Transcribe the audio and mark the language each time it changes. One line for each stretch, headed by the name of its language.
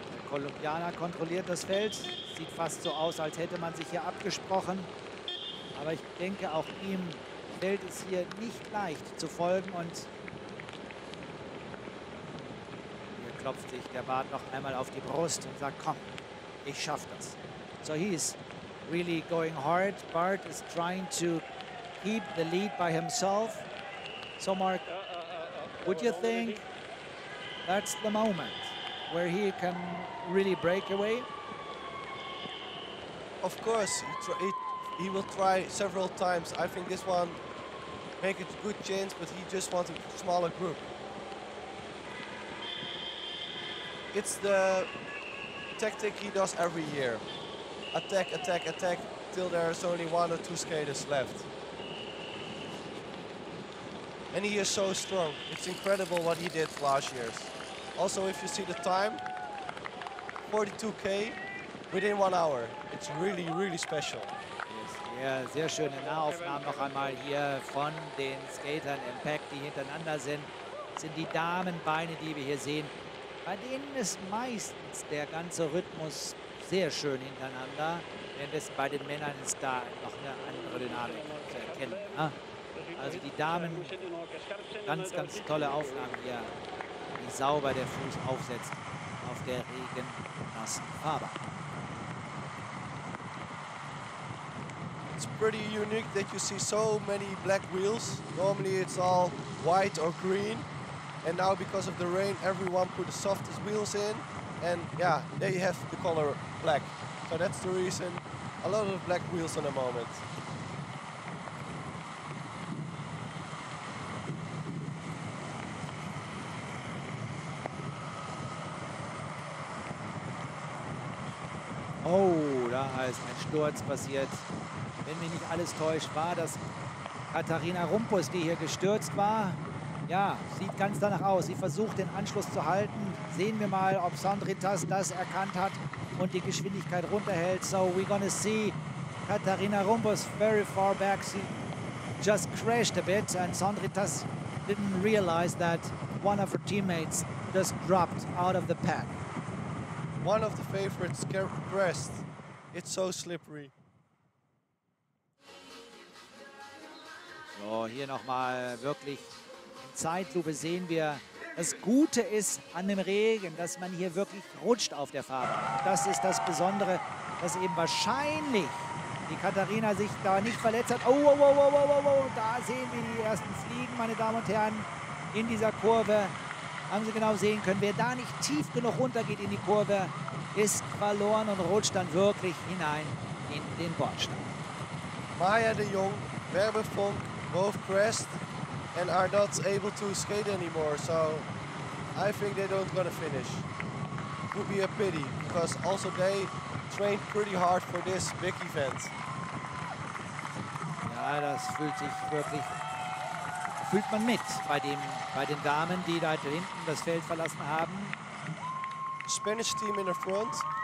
German: Kolumbianer kontrolliert das Feld. Sieht fast so aus, als hätte man sich hier abgesprochen. Aber ich denke, auch ihm fällt es hier nicht leicht zu folgen. Und hier klopft sich der Bart noch einmal auf die Brust und sagt, komm, ich schaff das.
English: So he's really going hard. Bart is trying to keep the lead by himself. So, Mark, would you think that's the moment where he can really break away? Of course, he will try several times. I think this one make it a good chance, but he just wants a smaller group. It's the tactic he does every year. Attack, attack, attack, till there is only one or two skaters left. And he is so strong. It's incredible what he did last year. Also, if you see the time, 42K within 1 hour. It's really, really special.
German: Ja, sehr schöne Nahaufnahmen noch einmal hier von den Skatern im Pack, die hintereinander sind. Das sind die Damenbeine, die wir hier sehen. Bei denen ist meistens der ganze Rhythmus sehr schön hintereinander. Denn das bei den Männern ist da noch eine andere Dynamik zu erkennen. Ne? Also die Damen, ganz, ganz tolle Aufnahmen hier, wie sauber der Fuß aufsetzt auf der regennassen Fahrbahn.
English: It's pretty unique that you see so many black wheels. Normally it's all white or green. And now because of the rain, everyone put the softest wheels in. And yeah, they have the color black. So that's the reason a lot of black wheels in the moment.
German: Oh, da ist ein Sturz passiert. Wenn mich nicht alles täuscht, war das Katharina Rumpus, die hier gestürzt war. Ja, sieht ganz danach aus. Sie versucht, den Anschluss zu halten. Sehen wir mal, ob Sandritas das erkannt hat und die Geschwindigkeit runterhält.
English: So, we're gonna see Katharina Rumpus very far back. She just crashed a bit and Sandritas didn't realize that one of her teammates just dropped out of the pack. One of the favorites crashed. It's so slippery.
German: So, hier nochmal wirklich in Zeitlupe sehen wir, das Gute ist an dem Regen, dass man hier wirklich rutscht auf der Fahrbahn. Das ist das Besondere, dass eben wahrscheinlich die Katharina sich da nicht verletzt hat. Oh, oh, oh, oh, oh, oh, oh. Da sehen wir die ersten Fliegen, meine Damen und Herren, in dieser Kurve. Haben Sie genau sehen können, wer da nicht tief genug runtergeht in die Kurve, ist verloren und rutscht dann wirklich hinein in den Bordstein. Maya de Jong, Werbefunk.
English: Both crashed and are not able to skate anymore, so I think they don't gonna finish. Would be a pity, because also they trained pretty hard for this big event.
German: Ja, das fühlt sich wirklich, fühlt man mit bei den Damen, die da hinten das Feld verlassen haben.
English: Spanish team in the front.